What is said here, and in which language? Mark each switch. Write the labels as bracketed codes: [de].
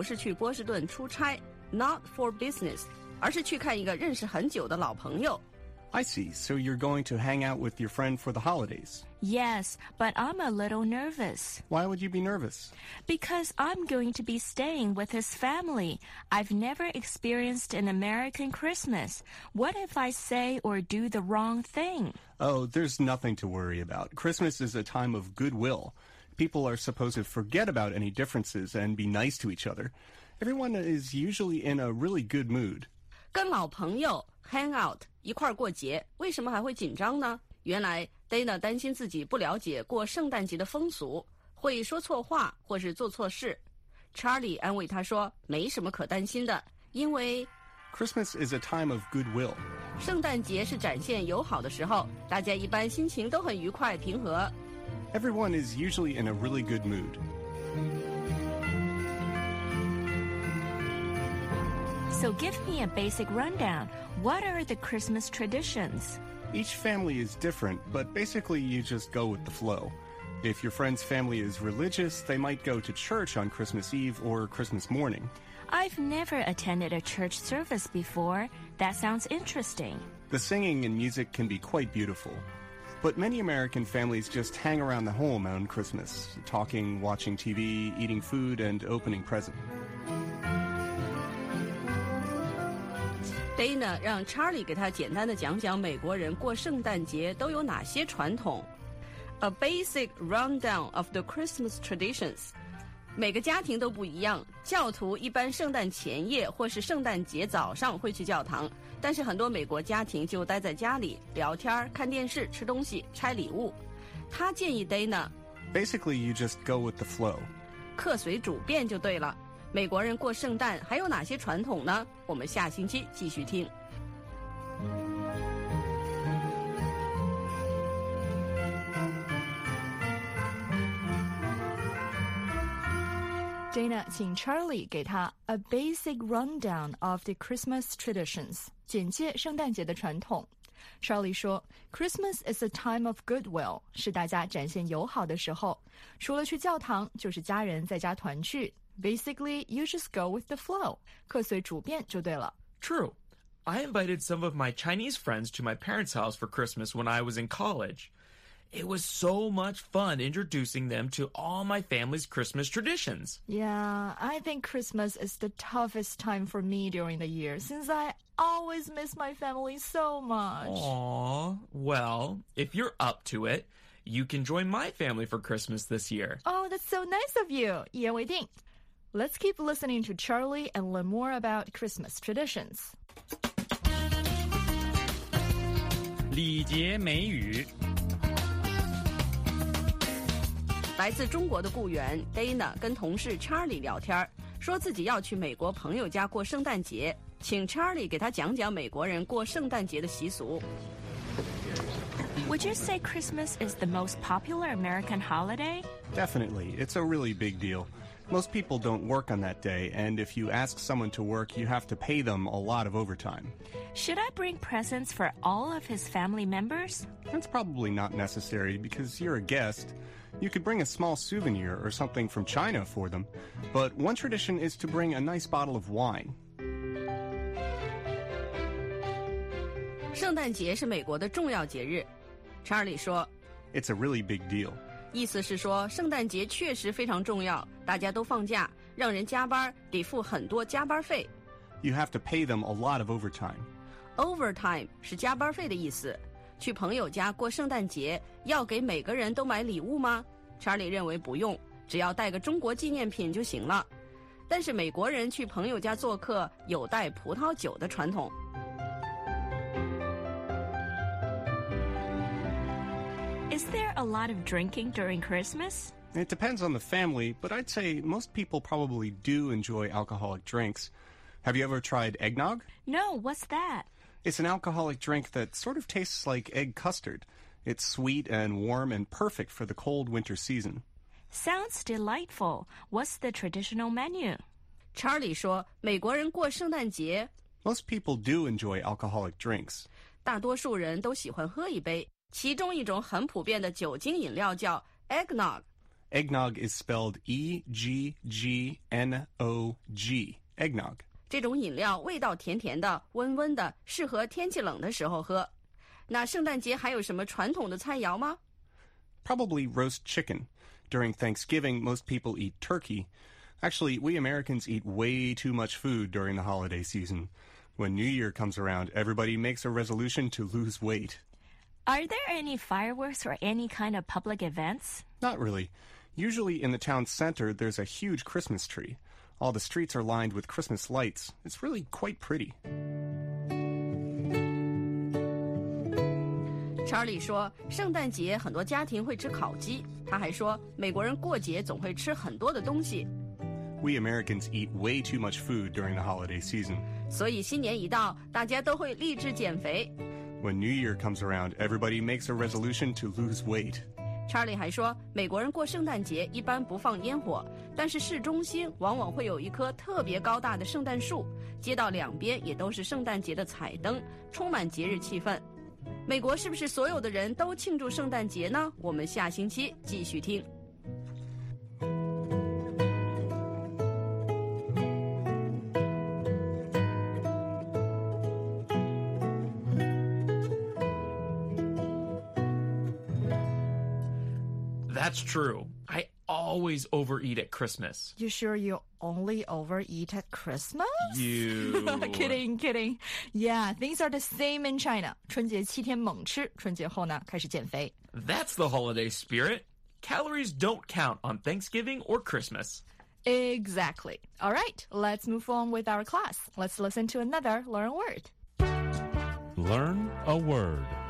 [zh] 没准你能体验一下真正的白色圣诞节呢。Dana说自己不是去波士顿出差， [en] not for business， [zh] 而是去看一个认识很久的老朋友。 [en] I see, so you're going to hang out with your friend for the holidays. Yes, but I'm a little nervous. Why would you be nervous? Because I'm going to be staying with his family. I've never experienced an American Christmas. What if I say or do the wrong thing? Oh, there's nothing to worry about. Christmas is a time of goodwill. People are supposed to forget about any differences and be nice to each other. Everyone is usually in a really good mood. [zh] 跟老朋友 [en] hang out [zh] 一块儿过节，为什么还会紧张呢？原来 Dana 担心自己不了解过圣诞节的风俗，会说错话或是做错事。 Charlie 安慰他说没什么可担心的，因为 [en] Christmas is a time of goodwill， [zh] 圣诞节是展现友好的时候，大家一般心情都很愉快平和。 [en] Everyone is usually in a really good mood。 So give me a basic rundown. What are the Christmas traditions? Each family is different, but basically you just go with the flow. If your friend's family is religious, they might go to church on Christmas Eve or Christmas morning. I've never attended a church service before. That sounds interesting. The singing and music can be quite beautiful. But many American families just hang around the home on Christmas, talking, watching TV, eating food, and opening presents. [zh] Dana 让 Charlie 给他简单的讲讲美国人过圣诞节都有哪些传统。 [en] A basic rundown of the Christmas traditions. [zh] 每个家庭都不一样，教徒一般圣诞前夜或是圣诞节早上会去教堂，但是很多美国家庭就待在家里聊天、看电视、吃东西、拆礼物。他建议 Dana [en] Basically you just go with the flow. [zh] 客随主便就对了。美国人过圣诞还有哪些传统呢？我们下星期继续听。 Dana 请 Charlie 给他 [en] a basic rundown of the Christmas traditions， [zh] 简介圣诞节的传统。 Charlie 说 ， [en] Christmas is a time of goodwill， [zh] 是大家展现友好的时候，除了去教堂，就是家人在家团聚。 [en] Basically, you just go with the flow. [zh] 客随主便就对了。 [en] True. I invited some of my Chinese friends to my parents' house for Christmas when I was in college. It was so much fun introducing them to all my family's Christmas traditions. Yeah, I think Christmas is the toughest time for me during the year, since I always miss my family so much. Aww. Well, if you're up to it, you can join my family for Christmas this year. Oh, that's so nice of you. [zh] 一言为定。 [en] Let's keep listening to Charlie and learn more about Christmas traditions. [zh] 礼节美语。来自中国的雇员 Dana 跟同事 Charlie 聊天，说自己要去美国朋友家过圣诞节，请 Charlie 给他讲讲美国人过圣诞节的习俗。 [en] Would you say Christmas is the most popular American holiday? Definitely. It's a really big deal. Most people don't work on that day, and if you ask someone to work, you have to pay them a lot of overtime. Should I bring presents for all of his family members? That's probably not necessary, because you're a guest. You could bring a small souvenir or something from China for them. But one tradition is to bring a nice bottle of wine. [zh] 圣诞节是美国的重要节日。 Charlie 说 [en] It's a really big deal. [zh] 意思是说圣诞节确实非常重要，大家都放假，让人加班，得付很多加班费。 [en] You have to pay them a lot of overtime. [zh] Overtime 是加班费的意思。去朋友家过圣诞节要给每个人都买礼物吗？ Charlie 认为不用，只要带个中国纪念品就行了。但是美国人去朋友家做客有带葡萄酒的传统。 [en] Is there a lot of drinking during Christmas? It depends on the family, but I'd say most people probably do enjoy alcoholic drinks. Have you ever tried eggnog? No, what's that? It's an alcoholic drink that sort of tastes like egg custard. It's sweet and warm and perfect for the cold winter season. Sounds delightful. What's the traditional menu? [zh] Charlie 说美国人过圣诞节。 [en] Most people do enjoy alcoholic drinks. [zh] 大多数人都喜欢喝一杯。其中一种很普遍的酒精饮料叫 eggnog. [en] Eggnog is spelled E-G-G-N-O-G, eggnog. [zh] 这种饮料味道甜甜的，温温的，适合天气冷的时候喝。那圣诞节还有什么传统的菜肴吗？ [en] Probably roast chicken. During Thanksgiving, most people eat turkey. Actually, we Americans eat way too much food during the holiday season. When New Year comes around, everybody makes a resolution to lose weight. Are there any fireworks or any kind of public events? Not really. Usually in the town center, there's a huge Christmas tree. All the streets are lined with Christmas lights. It's really quite pretty. [zh] Charlie 说，圣诞节很多家庭会吃烤鸡。他还说，美国人过节总会吃很多的东西。 [en] We Americans eat way too much food during the holiday season. [zh] 所以新年一到，大家都会立志减肥。 [en] When New Year comes around, everybody makes a resolution to lose weight. [zh] Charlie 还说，美国人过圣诞节一般不放烟火，但是市中心往往会有一棵特别高大的圣诞树，街道两边也都是圣诞节的彩灯，充满节日气氛。美国是不是所有的人都庆祝圣诞节呢？我们下星期继续听。 [en] That's true. I always overeat at Christmas. You sure you only overeat at Christmas? You. kidding, kidding. Yeah, things are the same in China. [zh] 春节七天猛吃，春节后呢，开始减肥。 [en] That's the holiday spirit. Calories don't count on Thanksgiving or Christmas. Exactly. All right, let's move on with our class. Let's listen to another learn word. Learn a word.